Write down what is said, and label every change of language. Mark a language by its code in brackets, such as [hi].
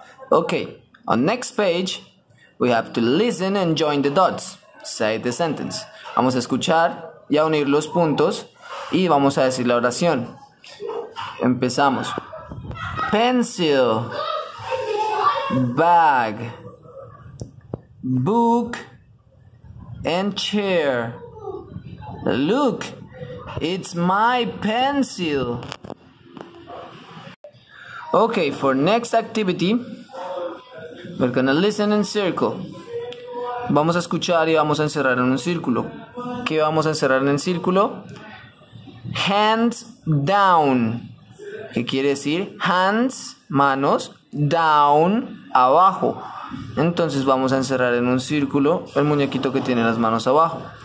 [en] Okay, on next page, we have to listen and join the dots. Say the sentence. [es] Vamos a escuchar y a unir los puntos y vamos a decir la oración. [en] Empezamos. Pencil, bag, book, and chair. Look, it's my pencil. Okay, for next activity, we're gonna listen in circle. [es] Vamos a escuchar y vamos a encerrar en un círculo. ¿Qué vamos a encerrar en el círculo? [en] Hands down. [es] ¿Qué quiere decir? Hands, manos, down, abajo. Entonces vamos a encerrar en un círculo el muñequito que tiene las manos abajo.